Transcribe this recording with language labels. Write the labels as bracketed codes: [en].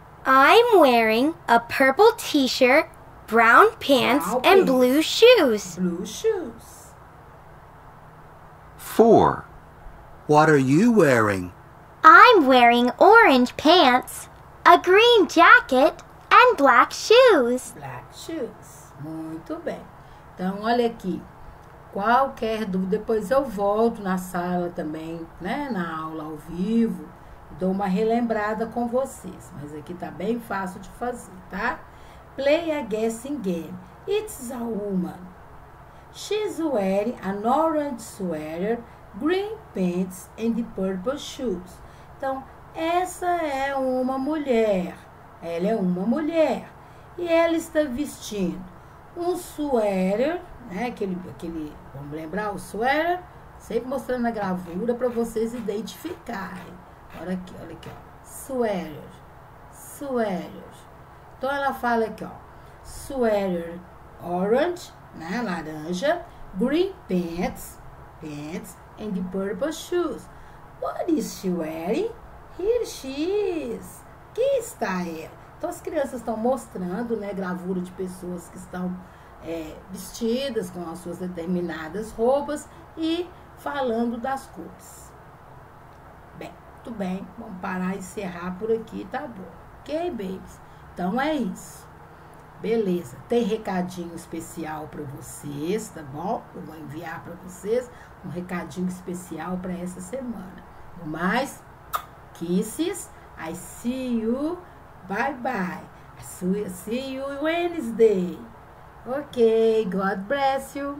[en] I'm wearing a purple t-shirt, brown pants, and blue shoes. Blue shoes. Four. What are you wearing? I'm wearing orange pants, a green jacket, and black shoes. Black shoes. [pt] Muito bem. Então, olha aqui. Qualquer dúvida, depois eu volto na sala também, né? Na aula ao vivo. Dou uma relembrada com vocês. Mas aqui tá bem fácil de fazer, tá? [en] Play a guessing game. It's a woman. She's wearing an orange sweater, green pants, and purple shoes. [pt] Então, essa é uma mulher. Ela é uma mulher e ela está vestindo um suéter, né? Aquele, vamos lembrar, o suéter, sempre mostrando a gravura para vocês identificarem. Olha aqui, ó. Suéter, suéter. Então, ela fala aqui, ó, suéter orange, né, laranja, [en] green pants, pants, and purple shoes. What is she wearing? Here she is. [pt] Que está ela? Então, as crianças estão mostrando, né, gravura de pessoas que estão vestidas com as suas determinadas roupas e falando das cores. Bem, tudo bem. Vamos parar e encerrar por aqui, tá bom. [en] Ok, babies? [pt] Então é isso. Beleza. Tem recadinho especial para vocês, tá bom? Eu vou enviar para vocês um recadinho especial para essa semana. No mais, [en] kisses. I see you. Bye bye. See you Wednesday. Ok, God bless you.